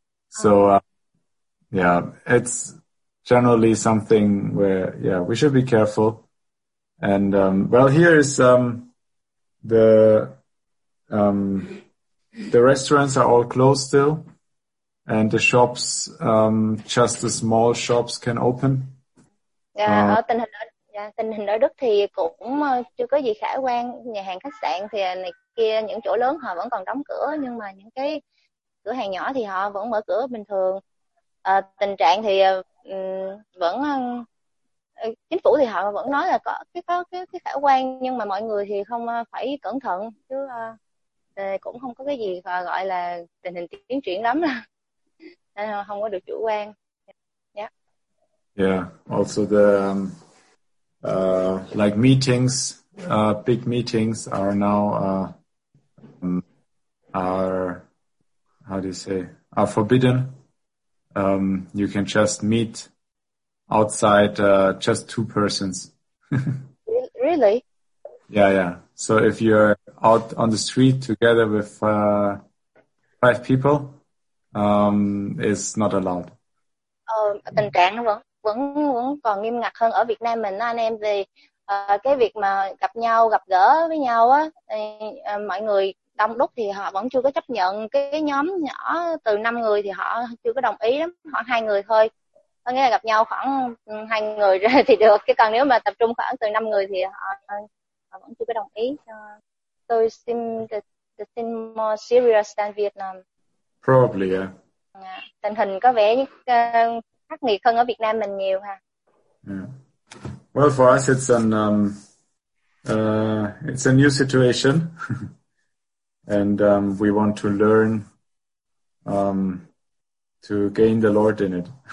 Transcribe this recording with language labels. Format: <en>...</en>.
<en>So, yeah, it's generally something where, yeah, we should be careful. And well, here is the restaurants are all closed still. And the shops, just the small shops can open.</en> <vi>Dạ, tình hình ở Đức thì cũng chưa có gì khả quan. Nhà hàng khách sạn thì này kia, những chỗ lớn họ vẫn còn đóng cửa, nhưng mà những cái cửa hàng nhỏ thì họ vẫn mở cửa bình thường. Tình trạng thì vẫn chính phủ thì họ vẫn nói là có cái khả quan, nhưng mà mọi người thì không phải cẩn thận chứ, cũng không có cái gì gọi là tình hình tiến triển lắm, nên không có được chủ quan.</vi> <en>Yeah, also the like meetings, big meetings are now are how do you say are forbidden. You can just meet outside just two persons. Really? Yeah. So if you're out on the street together with five people, it's not allowed.</en> <vi>Tình trạng vẫn vẫn vẫn còn nghiêm ngặt hơn ở Việt Nam mình anh em, vì cái việc mà gặp nhau, gặp gỡ với nhau á, mọi người đông đúc thì họ vẫn chưa có chấp nhận. Cái nhóm nhỏ từ 5 người thì họ chưa có đồng ý lắm, khoảng 2 người thôi. Có nghĩa là gặp nhau khoảng 2 người rồi thì được, chứ còn nếu mà tập trung khoảng từ 5 người thì họ vẫn chưa có đồng ý. Tôi xin</vi> <en>more serious than Vietnam. Probably, yeah.</en> <vi>Tình hình có vẻ khắc nghiệt hơn ở Việt Nam mình nhiều ha.</vi> <en>Yeah. Well, for us, it's a new situation, and we want to learn to gain the Lord in it.</en>